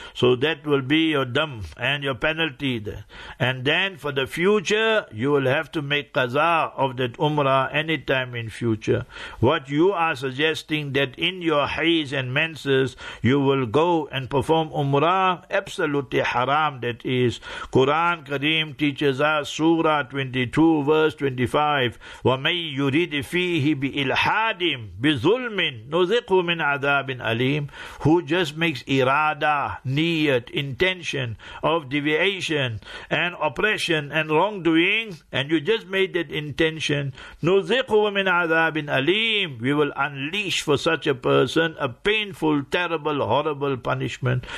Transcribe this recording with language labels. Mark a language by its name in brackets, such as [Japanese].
[English] So that will be your dam and your penalty there. And then for the future, you will have to make qaza of that Umrah anytime in future. What you are suggesting, that in your haiz and menses you will go and perform Umrah, absolutely haram that is. Quran Kareem teaches us, Surah 22 verse 25, [Arabic] وَمَنْ يُرِدْ فِيهِ بِإِلْحَادٍ بِظُلْمٍ نُذِقْهُ مِنْ عَذَابٍ أَلِيمٍ. [English] Who just makes irada, niyat, intention of deviation and oppression and wrongdoing, and you just made that intention, [Arabic] نُذِقْهُ مِنْ عَذَابٍ أَلِيمٍ, [English] we will unleash for such a person a painful, terrible, horrible punishment.